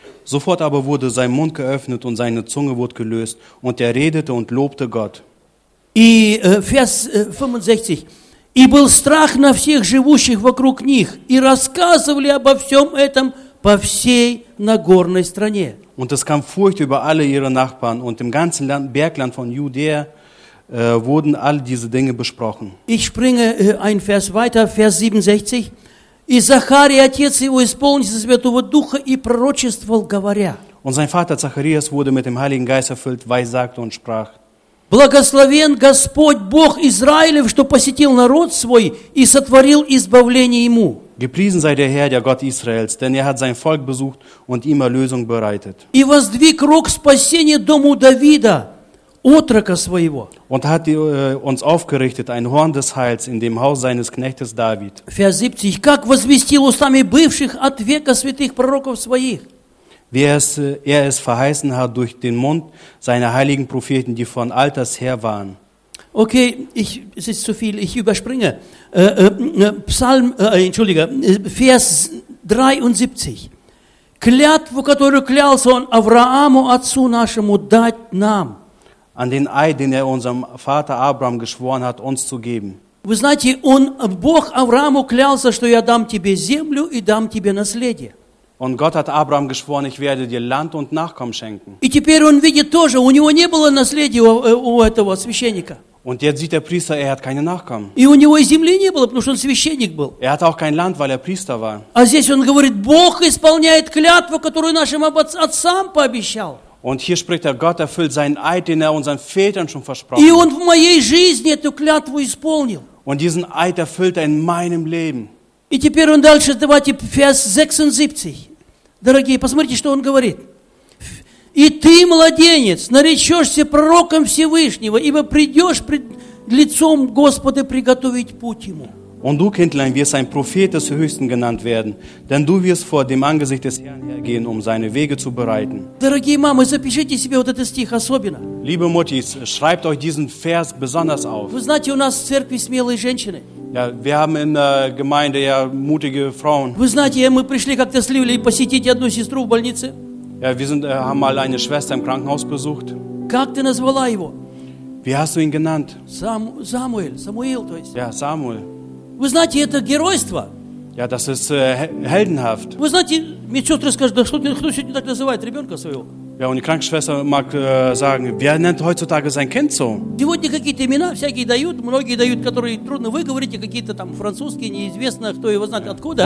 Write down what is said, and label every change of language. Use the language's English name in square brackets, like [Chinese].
[German] Sofort aber wurde sein Mund geöffnet und seine Zunge wurde gelöst und er redete und lobte Gott. И Vers 65. [Russian] И был страх на всех живущих вокруг них и рассказывали обо всем этом по всей нагорной стране. [German] Und es kam Furcht über alle ihre Nachbarn und im ganzen Land, Bergland von Judäa wurden all diese Dinge besprochen. Ich springe ein Vers weiter, Vers 67. [Russian] И Захарий, отец его, исполнился Святого Духа и пророчествовал, говоря. [German] Und sein Vater Zacharias wurde mit dem Heiligen Geist erfüllt, weissagte und sprach. [Russian] Благословен Господь Бог Израилев, что посетил народ свой и сотворил избавление ему. [German] Gepriesen sei der Herr, der Gott Israels, denn er hat sein Volk besucht und ihm Erlösung bereitet. [Russian] И воздвиг рог спасения дому Давида, отрока своего. [German] Und hat uns aufgerichtet ein Horn des Heils in dem Haus seines Knechtes David. Vers 70. [Russian] Как возвестил устами бывших от века святых пророков своих. [German] Wie er es verheißen hat durch den Mund seiner heiligen Propheten, die von alters her waren. Okay, es ist zu viel, ich überspringe. Vers 73. [Russian] Клятву, которую клялся он Аврааму, отцу нашему, дать нам. [German] An den Eid, den er unserem Vater Abraham geschworen hat, uns zu geben. [Russian] Вы знаете, он Бог Аврааму клялся, что я дам тебе землю и дам тебе наследие. [German] Und Gott hat Abraham geschworen, ich werde dir Land und Nachkommen schenken. [Russian] И теперь он видит тоже, у него не было наследия у этого священника. [German] Und jetzt sieht der Priester, er hat keine Nachkommen. [Russian] И у него и земли не было, потому что он священник был. [German] Er hat auch kein Land, weil er Priester war. [Russian] А здесь он говорит, Бог исполняет клятву, которую нашим отцам пообещал. [German] Und hier spricht er, Gott erfüllt seinen Eid, den er unseren Vätern schon versprochen hat. Und diesen Eid erfüllt er in meinem Leben. [Russian] Und теперь он дальше, давайте, [German] Vers 76. [Russian] Дорогие, посмотрите, что он говорит. И ты, младенец, наречешься пророком Всевышнего, ибо придешь пред лицом Господа приготовить путь ему. [German] Und du, Kindlein, wirst ein Prophet des Höchsten genannt werden, denn du wirst vor dem Angesicht des Herrn hergehen, um seine Wege zu bereiten. [Russian] Дорогие мамы, запишите себе вот этот стих особенно. [German] Liebe Muttis, schreibt euch diesen Vers besonders auf. [Russian] Вы знаете, у нас в церкви смелые женщины. [German] Ja, wir haben in der Gemeinde ja mutige Frauen. [Russian] Вы знаете, мы пришли как-то с Ливлей посетить одну сестру в больнице. [German] Ja, wir sind, haben mal eine Schwester im Krankenhaus besucht. [Russian] Как ты назвала его? [German] Wie hast du ihn genannt? [Russian] Самуил, то есть. [German] Ja, Samuel. [Russian] Вы знаете, это геройство. [German] Ja, das ist heldenhaft. [Russian] Вы знаете, медсестры скажут, да что, кто сегодня так называет ребенка своего? [German] Ja, und die Krankenschwester mag sagen, wer nennt heutzutage sein Kind so? [Russian] Сегодня какие-то имена всякие дают, многие дают, которые трудно выговорить, какие-то там французские, неизвестно, кто его знает, откуда.